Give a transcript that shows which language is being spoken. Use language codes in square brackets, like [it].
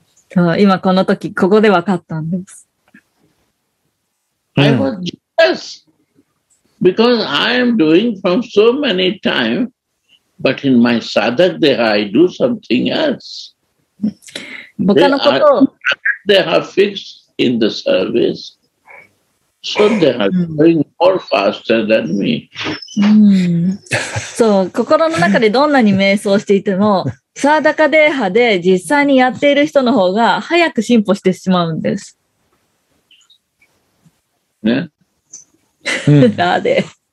[ja] So, 今この時ここで分かったんです。 [en] I was jealous because I am doing from so many time, but in my sadhak deha I do something else. [ja] 他のこと。 [en] They are, they have fixed in the service. So they are going more faster than me. [ja] そう、心の中でどんなに瞑想していても、サーダカデーハで実際にやっている人の方が早く進歩してしまうんです。ね。ラーデ。